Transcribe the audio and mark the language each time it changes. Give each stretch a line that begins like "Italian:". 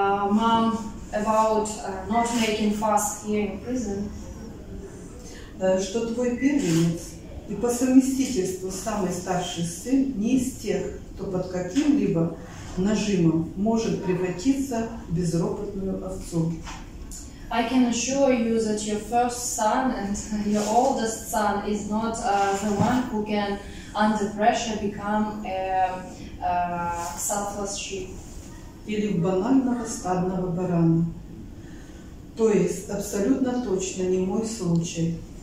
English: Mom, about not making fuss here in prison.
Russian: Что твой первенец и по совместительству самый старший сын не из тех, кто под каким-либо нажимом может превратиться в безропотную овцу.
English: I can assure you that your first son and your oldest son is not the one who can, under pressure, become a selfless sheep.
Russian: Или банального стадного барана. То есть абсолютно точно не мой случай.